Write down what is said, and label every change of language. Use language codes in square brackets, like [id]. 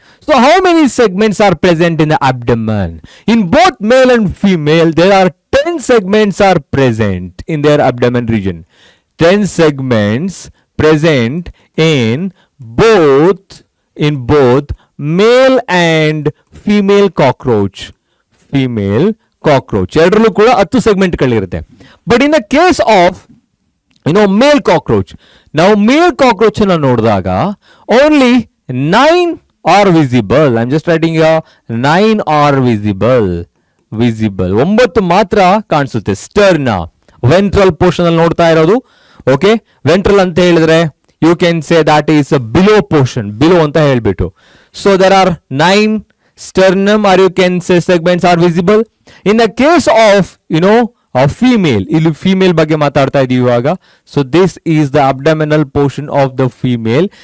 [en] So how many segments are present in the abdomen? In both male and female there are 10 segments are present in their abdomen region. 10 segments present in both, in both male and female cockroach, female cockroach. [kn] ಎರಡರಲ್ಲೂ ಕೂಡ 10 segment ಗಳಿರುತ್ತೆ. [en] but in the case of you know male cockroach, [kn] ನಾವು ಮೇಲ್ cockroach ಅನ್ನು ನೋಡಿದಾಗ [en] Only 9 are visible. I am just writing yo 9 are visible, visible [kn] 9 ಮಾತ್ರ ಕಾಣಿಸುತ್ತೆ. ಸ್ಟರ್ನ ventral portion ಅಲ್ಲಿ ನೋಡ್ತಾ ಇರೋದು. ಓಕೆ, ವೆಂಟ್ರಲ್ ಅಂತ ಹೇಳಿದ್ರೆ [en] you can say that is below portion, [kn] below ಅಂತ ಹೇಳ್ಬಿಟ್ಟು. [en] So there are 9 sternum or you can say segments are visible. In the case of, you know, a female, [kn] illi female bage maatadta idivi ivaga, [en] so this is the abdominal portion of the female.